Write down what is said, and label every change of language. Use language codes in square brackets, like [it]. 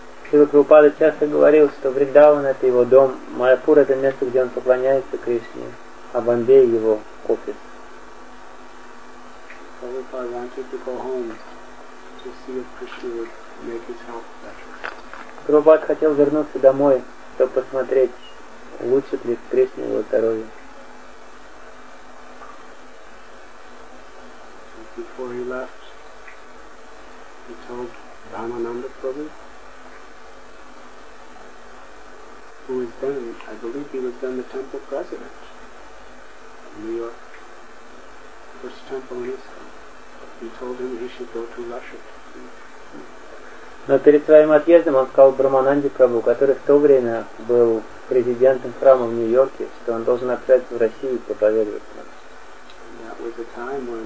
[ru] Шрила Прабхупада часто говорил, что Вриндаван — это его дом, Майяпур — это место, где он поклоняется Кришне, а Бомбей — его офис. [en] Prabhupada wanted to go home to see if Krishna would make his health better. [ru] Прабхупада хотел вернуться домой, чтобы посмотреть, улучшит ли Кришна его здоровье. [en] Before he left, he told Ramananda Prabhu, who is then, I believe he was then the temple president in New York, first temple in Israel. He told him he should go to Russia. [ru] Но перед своим отъездом он сказал Брамананде Прабху, который в то время был президентом храма в Нью-Йорке, что он должен отправиться в Россию и проповедовать там.